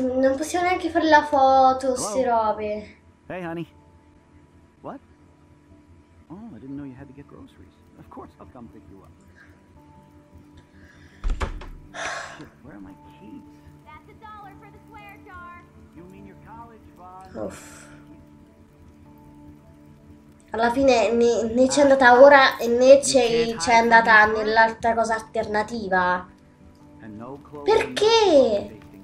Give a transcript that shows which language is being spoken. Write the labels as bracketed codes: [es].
[it] Non possiamo neanche fare la foto, sti robe. [en] Hey, honey. What? Oh, I didn't know you had to get groceries. Of course, I'll come pick you up. Where are my keys? That's a dollar for the swear jar. You mean your college fund? Uff. [it] Alla fine né c'è andata ora né c'è andata nell'altra cosa alternativa. Perché?